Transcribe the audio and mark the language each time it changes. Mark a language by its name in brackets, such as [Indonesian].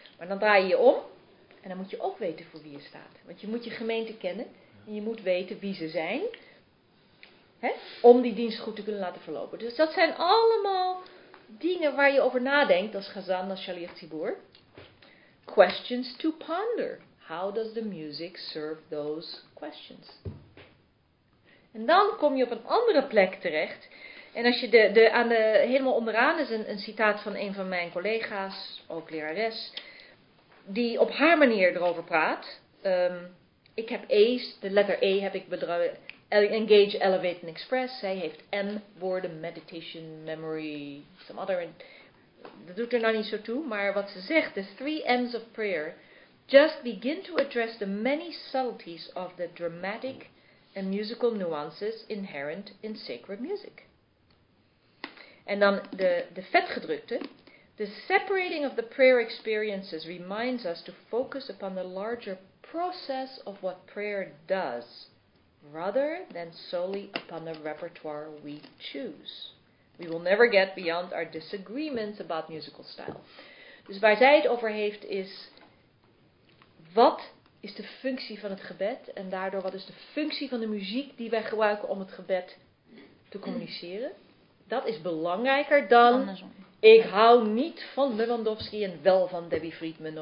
[Dutch] Maar dan draai je je om en dan moet je ook weten voor wie je staat. Want je moet je gemeente kennen en je moet weten wie ze zijn, hè? Om die dienst goed te kunnen laten verlopen. Dus dat zijn allemaal dingen waar je over nadenkt als gazan, als shaliach tzibur. [English] Questions to ponder. How does the music serve those questions? [Dutch] En dan kom je op een andere plek terecht. En als je aan de helemaal onderaan is een citaat van een van mijn collega's, ook lerares, die op haar manier erover praat. Ik heb E's, de letter E heb ik bedrukt. [English] Engage, elevate and express. [Dutch] Zij heeft M woorden, meditation, memory, some other. Dat doet er nou niet zo toe, maar wat ze zegt, [English] the three M's of prayer just begin to address the many subtleties of the dramatic and musical nuances inherent in sacred music. [Dutch] En dan de vetgedrukte, [English] the separating of the prayer experiences reminds us to focus upon the larger process of what prayer does, rather than solely upon the repertoire we choose. We will never get beyond our disagreements about musical style. [Dutch] Dus waar zij het over heeft is, wat is de functie van het gebed? En daardoor, wat is de functie van de muziek die wij gebruiken om het gebed te communiceren? Dat is belangrijker dan, ik hou niet van Lewandowski en wel van Debbie Friedman.